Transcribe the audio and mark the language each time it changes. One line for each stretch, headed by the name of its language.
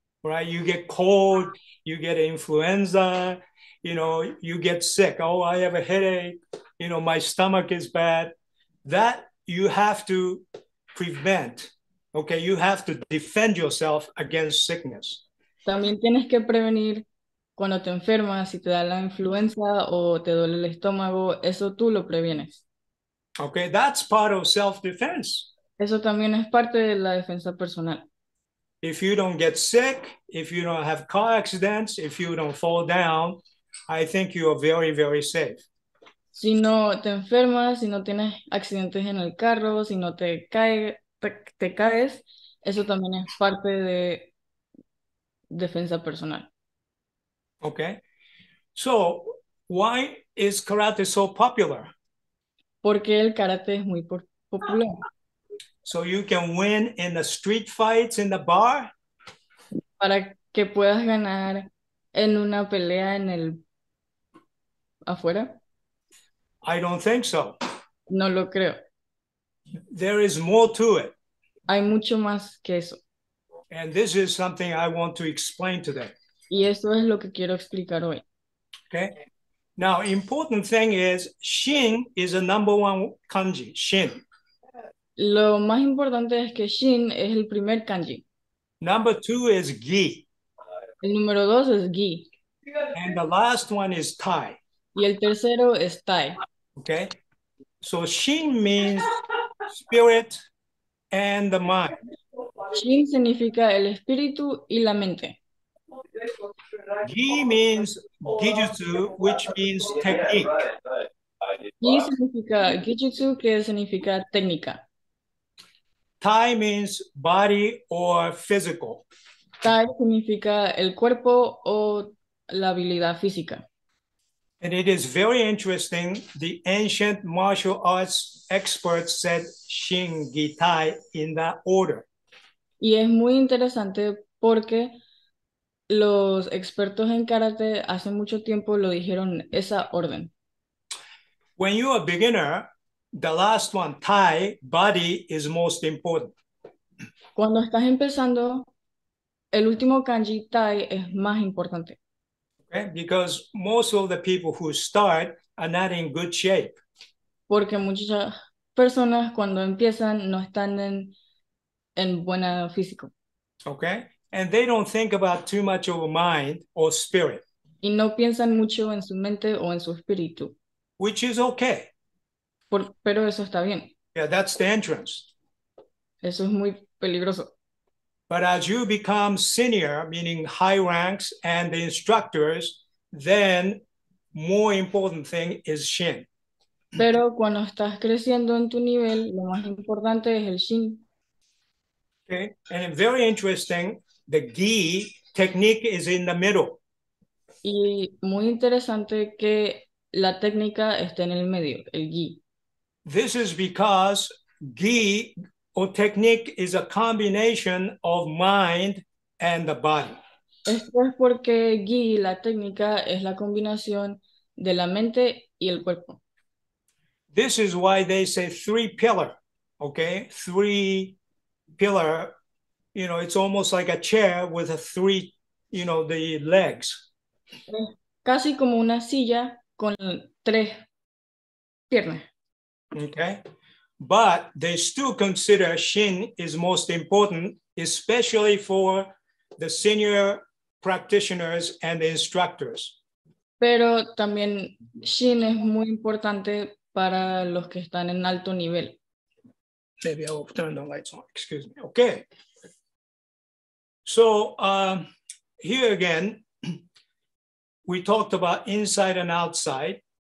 English: Right, you get cold, you get influenza, you know, you get sick. Oh, I have a headache. You know, my stomach is bad. That you have to prevent. Okay, you have to defend yourself against sickness.
Spanish: También tienes que prevenir cuando te enfermas, si te da la influenza o te duele el estómago, eso tú lo previenes.
English: Okay, that's part of self-defense.
Spanish: Eso también es parte de la defensa personal.
English: If you don't get sick, if you don't have car accidents, if you don't fall down, I think you are very, very safe.
Spanish: Si no te enfermas, si no tienes accidentes en el carro, si no te caes, eso también es parte de defensa personal.
English: Okay. So, why is karate so popular?
Spanish: Porque el karate es muy popular.
English: So you can win in the street fights in the bar?
Spanish: Para que puedas ganar en una pelea en el afuera?
English: I don't think so.
Spanish: No lo creo.
English: There is more to it.
Spanish: Hay mucho más que eso.
English: And this is something I want to explain today.
Spanish: Y eso es lo que quiero explicar hoy.
English: Okay. Now, important thing is Shin is a number one kanji. Shin.
Spanish: Lo más importante es que Shin es el primer kanji.
English: Number two is Gi.
Spanish: El número dos es Gi.
English: And the last one is Tai.
Spanish: Y el tercero es Tai.
English: Okay. So Shin means spirit and the mind.
Spanish: Shin significa el espíritu y la mente.
English: Gi means Gijutsu, which means technique.
Spanish: Gi significa Gijutsu, que significa técnica.
English: Tai means body or physical.
Spanish: Tai significa el cuerpo o la habilidad física.
English: And it is very interesting, the ancient martial arts experts said Shin Gi Tai in that order.
Spanish: Y es muy interesante porque los expertos en karate hace mucho tiempo lo dijeron esa orden.
English: When you are a beginner, the last one, Tai, body, is most important.
Spanish: Cuando estás empezando, el último kanji, Tai, es más importante.
English: Okay, because most of the people who start are not in good shape.
Spanish: Porque muchas personas cuando empiezan no están en buena físico.
English: Okay, and they don't think about too much of a mind or spirit.
Spanish: Y no piensan mucho en su mente o en su espíritu.
English: Which is okay.
Spanish: Pero eso está bien.
English: Yeah, that's the entrance.
Spanish: Eso es muy peligroso.
English: But as you become senior, meaning high ranks and the instructors, then more important thing is Shin.
Spanish: Pero cuando estás creciendo en tu nivel, lo más importante es el Shin.
English: Okay, and very interesting, the Gi technique is in the middle.
Spanish: Y muy interesante que la técnica esté en el medio, el Gi.
English: This is because Gi or technique is a combination of mind and the body.
Spanish: Esto es porque Gi, la técnica, es la combinación de la mente y el cuerpo.
English: This is why they say three pillar, okay? Three pillar, you know, it's almost like a chair with a three, you know, the legs.
Spanish: Casi como una silla con tres piernas.
English: Okay. But they still consider Shin is most important, especially for the senior practitioners and the instructors.
Spanish: Pero también Shin es muy importante para los que están en alto nivel.
English: Maybe I'll turn the lights on, excuse me. Okay. So here again, we talked about inside and outside.